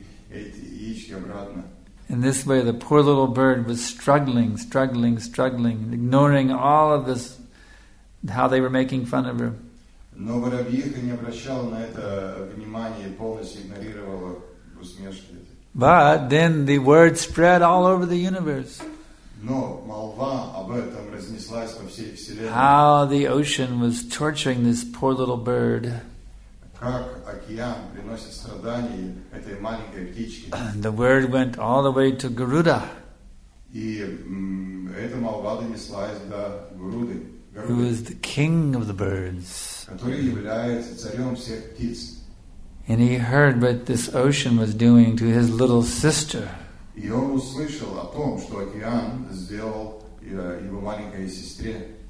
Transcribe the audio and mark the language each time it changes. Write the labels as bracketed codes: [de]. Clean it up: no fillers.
[en] In this way, the poor little bird was struggling, ignoring all of this, how they were making fun of her. [ru] Но воробьиха не обращала на это внимания и полностью игнорировала усмешки. [en] But then the word spread all over the universe. [ru] Но молва об этом разнеслась по всей вселенной. [en] How the ocean was torturing this poor little bird. [ru] Как океан приносит страдания этой маленькой птичке. [en] The word went all the way to Garuda. [ru] И эта молва донеслась до Гуруды. [en] Who is the king of the birds. [ru] Который является царем всех птиц. [en] And he heard what this ocean was doing to his little sister. [ru] И он услышал о том, что океан сделал его маленькой сестре.